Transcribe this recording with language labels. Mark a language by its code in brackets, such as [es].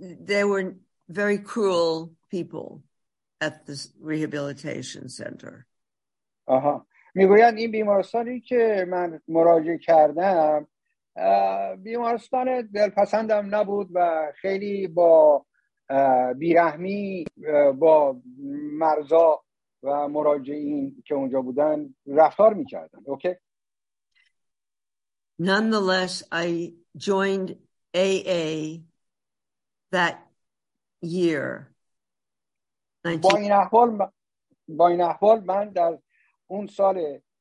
[en] They were very cruel people at the rehabilitation center. Aha. [fa] میگویند این بیمارستانی که من مراجعه کردم بیمارستان دلپسندم نبود و خیلی با بیرحمی با مرزا و مراجعین که اونجا بودن رفتار میکردن. [en] Okay. Nonetheless, I joined AA that year. [fa] با این احوال من در اون سال